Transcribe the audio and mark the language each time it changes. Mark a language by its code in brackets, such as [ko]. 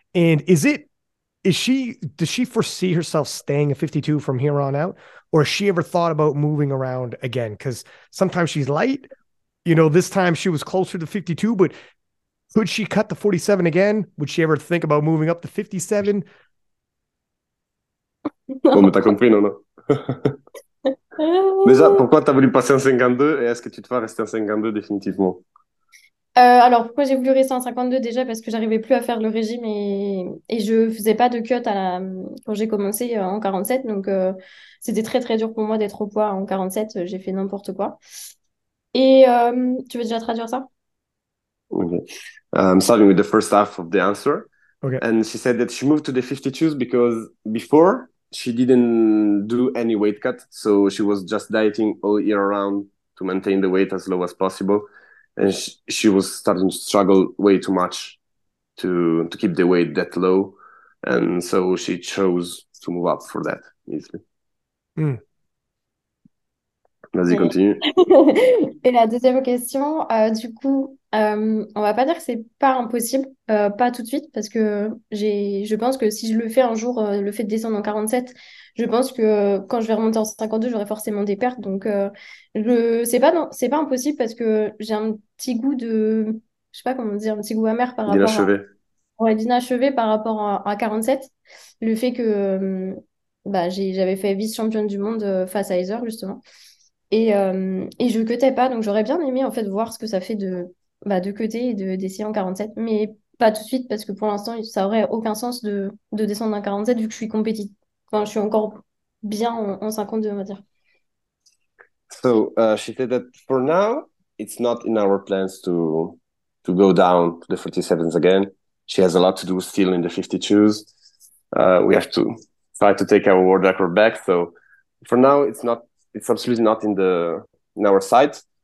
[en] And does she foresee herself staying a 52 from here on out? Or has she ever thought about moving around again? Because sometimes she's light. This time she was closer to 52, but could she cut to 47 again? Would she ever think about moving up to 57? Come ta continuo, no? [fr] Déjà, pourquoi t'as voulu passer en 52 et est-ce que tu te vas rester en 52 définitivement? Alors, pourquoi j'ai voulu rester en 52 déjà? Parce que j'arrivais plus à faire le régime et je ne faisais pas de cut quand j'ai commencé en 47. Donc, c'était très très dur pour moi d'être au poids en 47. J'ai fait n'importe quoi. Et tu veux déjà traduire ça? [en] Okay. I'm starting with the first half of the answer. Ok. And she said that she moved to the 52s because before she didn't do any weight cut, so she was just dieting all year round to maintain the weight as low as possible, and she was starting to struggle way too much to keep the weight that low, and so she chose to move up for that easily. [fr] Vas-y, continue. Et la deuxième question, du coup, on va pas dire que c'est pas impossible, pas tout de suite, parce que je pense que si je le fais un jour, le fait de descendre en 47, je pense que quand je vais remonter en 52, j'aurai forcément des pertes. Donc, c'est pas impossible parce que j'ai un petit goût de, je sais pas comment dire, un petit goût amer par rapport à, D'inachevé. on va dire d'inachevé par rapport à 47, le fait que j'avais fait vice-championne du monde face à Heather, justement. Et je cutais pas, donc j'aurais bien aimé en fait voir ce que ça fait de cuter et d'essayer en 47, mais pas tout de suite parce que pour l'instant ça aurait aucun sens de descendre en 47 vu que je suis compétitive. Enfin, je suis encore bien en 52, on va dire. [en] So, she said that for now, it's not in our plans to go down to the 47s again. She has a lot to do still in the 52s. We have to try to take our world record back. So for now, it's absolutely not in our sight.